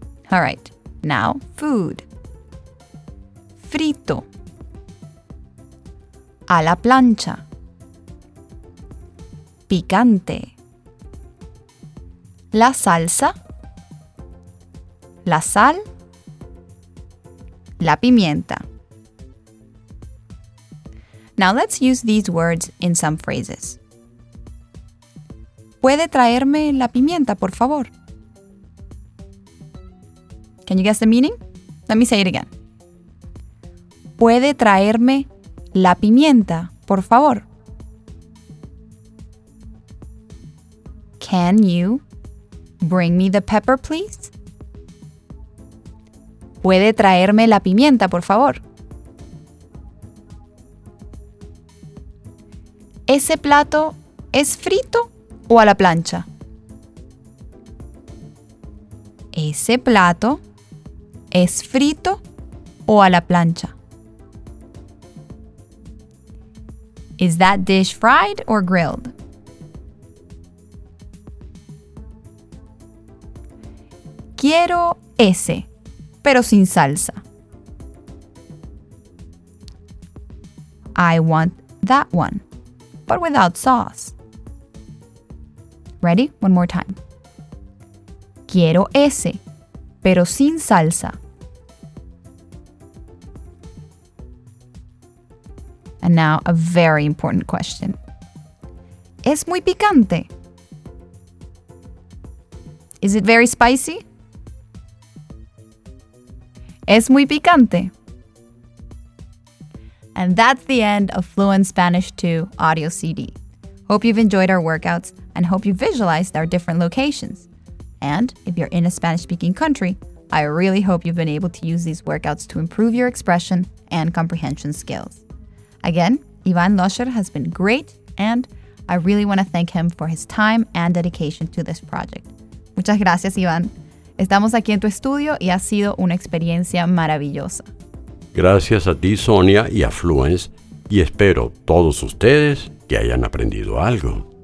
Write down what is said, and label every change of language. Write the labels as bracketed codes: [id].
[en] All right, now food. [es] Frito, a la plancha, picante, la salsa, la sal, la pimienta. [en] Now let's use these words in some phrases. [es] ¿Puede traerme la pimienta, por favor? [en] Can you guess the meaning? Let me say it again. [es] ¿Puede traerme la pimienta, por favor? [en] Can you bring me the pepper, please? [es] ¿Puede traerme la pimienta, por favor? ¿Ese plato es frito o a la plancha? ¿Ese plato es frito o a la plancha? [en] ¿Is that dish fried or grilled? [es] Quiero ese, pero sin salsa. [en] I want that one, but without sauce. Ready? One more time. [es] quiero ese, pero sin salsa. [en] And now a very important question. [es] ¿Es muy picante? [en] Is it very spicy? [es] ¿Es muy picante? [en] And that's the end of Fluent Spanish 2 audio CD. Hope you've enjoyed our workouts and hope you visualized our different locations. And if you're in a Spanish-speaking country, I really hope you've been able to use these workouts to improve your expression and comprehension skills. Again, Iván Loscher has been great, and I really want to thank him for his time and dedication to this project. [es] Muchas gracias, Iván. Estamos aquí en tu estudio y ha sido una experiencia maravillosa. Gracias a ti, Sonia, y a Fluence, y espero todos ustedes que hayan aprendido algo.